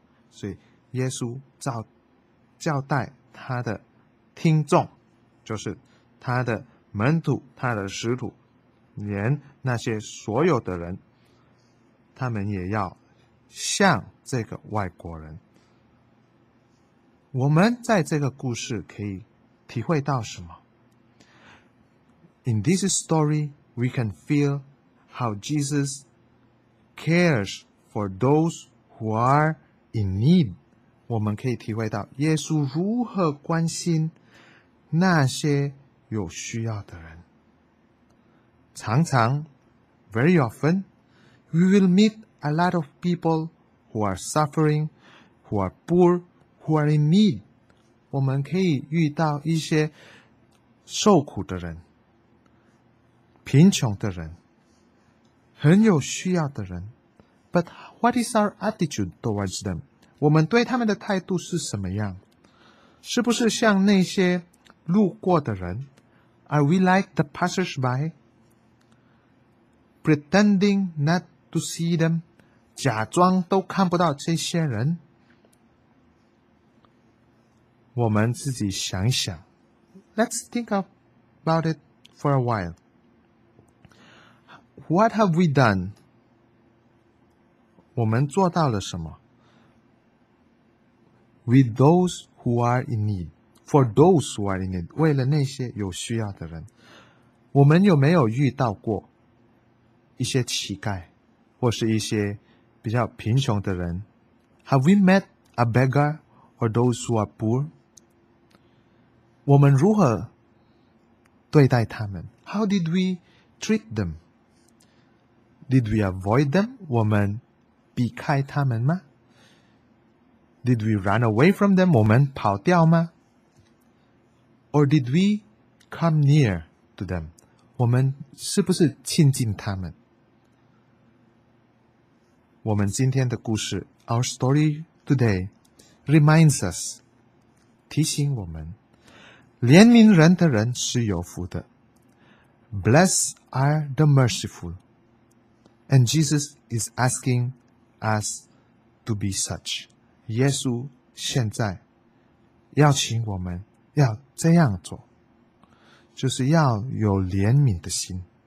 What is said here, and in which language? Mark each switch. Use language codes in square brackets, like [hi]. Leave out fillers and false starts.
[zh] 所以耶稣交代他的听众，就是他的门徒，他的使徒，连那些所有的人，他们也要像这个外国人。我们在这个故事可以体会到什么？ [en] In this story, we can feel how Jesus cares for those who are in need. [zh] 我们可以体会到耶稣如何关心那些有需要的人。常常 [en] very often, we will meet a lot of people who are suffering, who are poor, who are in need. [zh] 我们可以遇到一些受苦的人，贫穷的人，很有需要的人。 [en] But what is our attitude towards them? [zh] 我们对他们的态度是什么样？是不是像那些路过的人？ [en] Are we like the passersby? Pretending not to see them， [zh] 假装都看不到这些人。我们自己想一想。 [en] Let's think about it for a while. What have we done? [zh] 我们做到了什么？ [en] With those who are in need， for those who are in need， [zh] 为了那些有需要的人。我们有没有遇到过一些乞丐，或是一些比较贫穷的人？ [en] Have we met a beggar or those who are poor? [zh] 我们如何对待他们？ [en] How did we treat them? Did we avoid them? [zh] 我们避开他们吗？ [en] Did we run away from them? [zh] 我们跑掉吗？ [en] Or did we come near to them? [zh] 我们是不是亲近他们？我们今天的故事 [en] Our story today reminds us， [zh] 提醒我们，怜悯人的人是有福的。 [en] Blessed are the merciful， And Jesus is asking us to be such。 [zh] 耶稣现在邀请我们要这样做，就是要有怜悯的心。